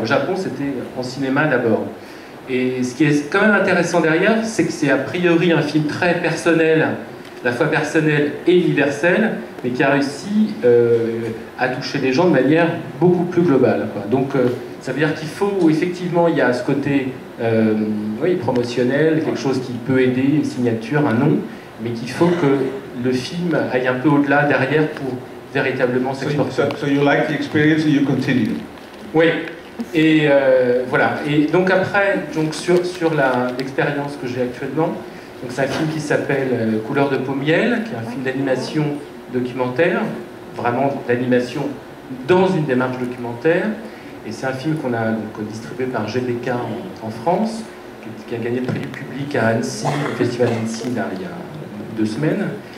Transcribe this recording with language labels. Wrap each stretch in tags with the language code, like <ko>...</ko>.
<fr>Au Japon, c'était en cinéma d'abord. Et ce qui est quand même intéressant derrière, c'est que c'est a priori un film très personnel, à la fois personnel et universel, mais qui a réussi à toucher les gens de manière beaucoup plus globale, quoi. Donc ça veut dire qu'il faut, effectivement, il y a ce côté promotionnel, quelque chose qui peut aider, une signature, un nom, mais qu'il faut que le film aille un peu au-delà, derrière, pour véritablement s'exporter.</fr> <en>So you like the experience and you continue?</en> <fr>Oui. Et voilà. Et donc après, donc sur l'expérience que j'ai actuellement, donc c'est un film qui s'appelle Couleur de peau miel, qui est un film d'animation documentaire, vraiment d'animation dans une démarche documentaire. Et c'est un film qu'on a donc distribué par GDK en France, qui a gagné le prix du public à Annecy, au Festival d'Annecy, là, il y a 2 semaines.</fr>